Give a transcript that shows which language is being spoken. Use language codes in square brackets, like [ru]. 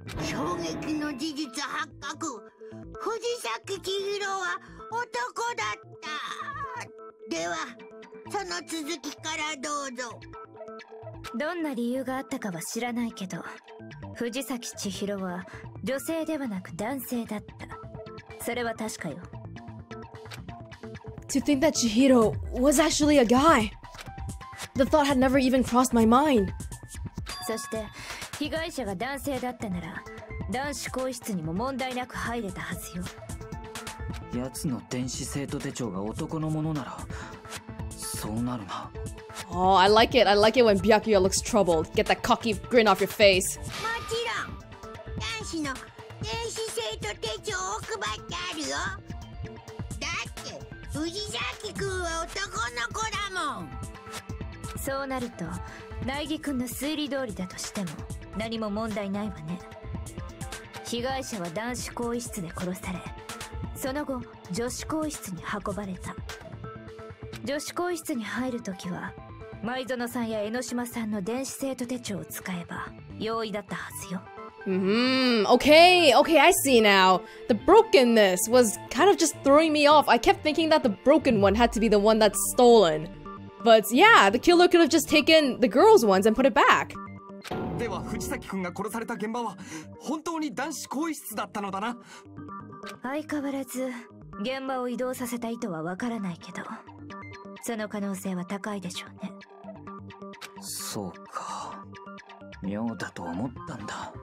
[ja] 衝撃の事実発覚、藤崎千尋は男だった。ではその続きからどうぞ。どんな理由があったかは知らないけど、藤崎千尋は女性ではなく男性だった。それは確かよ。 [en] To think that Chihiro was actually a guy. The thought had never even crossed my mind. [ja] そして被害者が男性だったなら男子更衣室にも問題なく入れたはずよ。奴の電子生徒手帳が男のものならそうなるな。 [en] Oh, I like it. I like it when Byakuya looks troubled. Get that cocky grin off your face. [ja] もちろん男子の電子生徒手帳を配ってあるよ。藤崎君は男の子だもん。そうなると内儀君の推理通りだとしても何も問題ないわね。被害者は男子更衣室で殺され、その後女子更衣室に運ばれた。女子更衣室に入るときは前園さんや江ノ島さんの電子生徒手帳を使えば容易だったはずよ。 [en] Okay, I see now. The brokenness was kind of just throwing me off. I kept thinking that the broken one had to be the one that's stolen. But yeah, the killer could have just taken the girl's ones and put it back. [ja] では藤崎君が殺された現場は本当に男子更衣室だったのだな。相変わらず現場を移動させた意図はわからないけど、その可能性は高いでしょうね。そうか。妙だと思ったんだ。